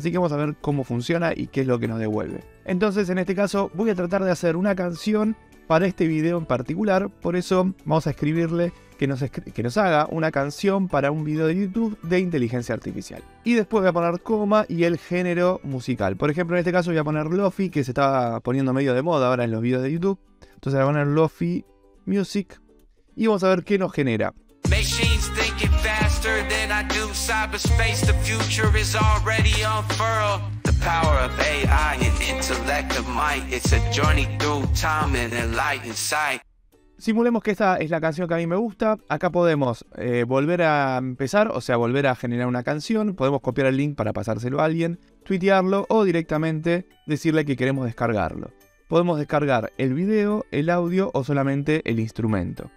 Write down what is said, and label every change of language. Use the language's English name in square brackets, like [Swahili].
[Spanish] Así que vamos a ver cómo funciona y qué es lo que nos devuelve. Entonces, en este caso, voy a tratar de hacer una canción para este video en particular, por eso vamos a escribirle que nos haga una canción para un video de YouTube de inteligencia artificial. Y después voy a poner coma y el género musical. Por ejemplo, en este caso voy a poner Lofi, que se está poniendo medio de moda ahora en los videos de YouTube. Entonces voy a poner Lofi Music y vamos a ver qué nos genera. [English] Machines thinking faster than I do cyberspace, the future is already unfurled. Power of AI and intellect of might, it's a journey through time and enlightened sight. [Spanish] Simulemos que esta es la canción que a mí me gusta. Acá podemos volver a empezar, o sea, volver a generar una canción. Podemos copiar el link para pasárselo a alguien, tuitearlo o directamente decirle que queremos descargarlo. Podemos descargar el video, el audio o solamente el instrumento.